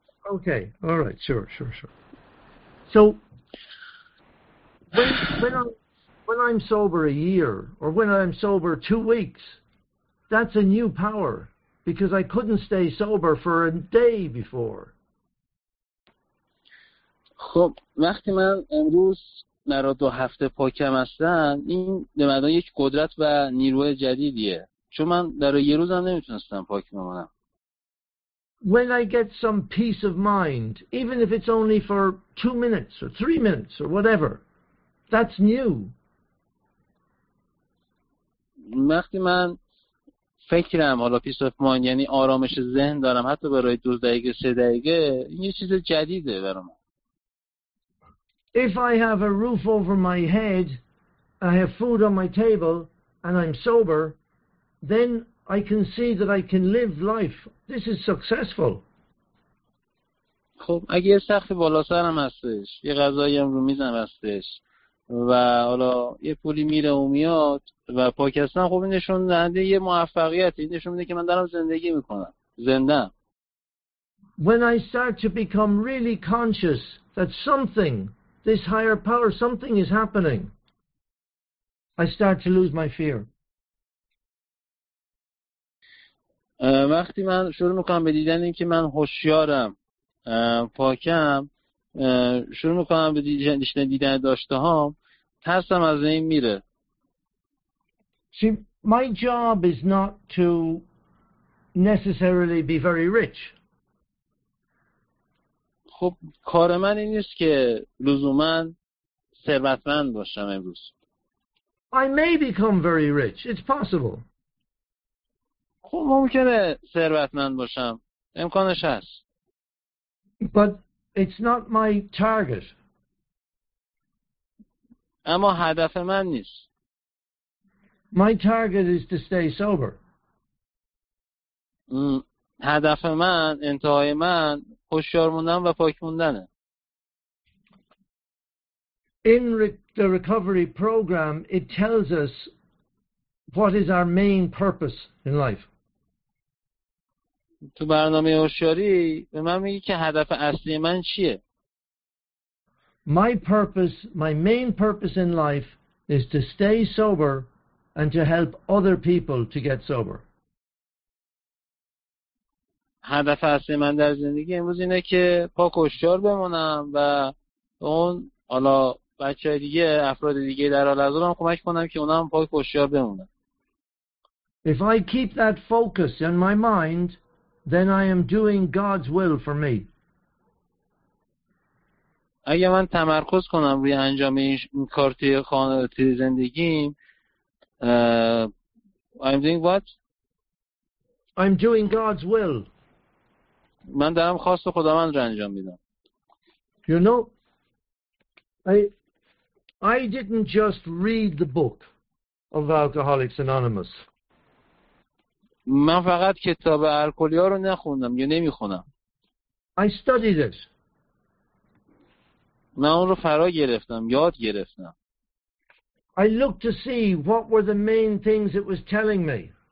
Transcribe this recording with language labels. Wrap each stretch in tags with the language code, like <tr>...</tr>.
<en>Okay. All right. Sure. So when I'm sober a year, or when I'm sober 2 weeks, that's a new power, because I couldn't stay sober for a day before.</en> <fa>خب وقتی من امروز مرا دو هفته پاکم هستن، این نمادان یک قدرت و نیروی جدیدیه. چون من در یه روزم نمیتونستم پاک بمونم.</fa> <en>When I get some peace of mind, even if it's only for 2 minutes or 3 minutes or whatever, that's new.</en> <fa>وقتی من فکرم حالا</fa> <en>peace of mind</en> <fa>یعنی آرامش ذهن دارم حتی برای 2 دقیقه 3 دقیقه این یه چیز جدیده برام.</fa> <en>If I have a roof over my head, I have food on my table, and I'm sober, then I can see that I can live life. This is successful.</en> <fa>خب اگه یه سختی بالا سرم هستش، یه غذایی هم رو میزم هستش و حالا یه پولی میره و میاد و پاکستان، خب این نشون دهنده یه موفقیت، این نشون میده که من دارم زندگی میکنم، زنده.</fa> <en>When I start to become really conscious that something, this higher power, something is happening, I start to lose my fear.</en> <fa>وقتی من شروع میکنم به دیدن این که من هوشیارم، پاکم، شروع میکنم به دیدن داشته هام، ترسم از این میره.</fa> <en>See, my job is not to necessarily be very rich.</en> <fa>خب کار من این نیست که لزوماً ثروتمند باشم امروز.</fa> <en>I may become very rich. It's possible.</en> <fa>خب ممکنه ثروتمند باشم. امکانش هست.</fa> <en>But it's not my target.</en> <fa>اما هدف من نیست.</fa> <en>My target is to stay sober.</en> <fa>هدف من، انتهای من، هوشیار موندن و پاک موندنه.</fa> <en>In the recovery program, it tells us what is our main purpose in life.</en> <fa>تو برنامه هوشیاری به من میگی که هدف اصلی من چیه؟</fa> <en>My purpose, my main purpose in life is to stay sober and to help other people to get sober.</en> <fa>هدف اصلی من در زندگی امروز اینه که پاک هوشیار بمونم و اون حالا بچه دیگه، افراد دیگه در حال حاضر هم کمک کنم که اونا هم پاک هوشیار بمونن.</fa> <en>If I keep that focus in my mind, then I am doing God's will for me.</en> <fa>اگه من تمرکز کنم روی انجام این کار توی زندگیم،</fa> <en>I'm doing what? I'm doing God's will.</en> <fa>من دارم خواست خداوند رو انجام میدم.</fa> <en>You know, I didn't just read the book of Alcoholics Anonymous.</en> <fa>من فقط کتاب الکلی‌ها رو نخوندم یا نمیخونم.</fa> <en>I studied it.</en> <fa>من اون رو فرا گرفتم، یاد گرفتم.</fa> <en>I looked to see what were the main things it was telling me.</en>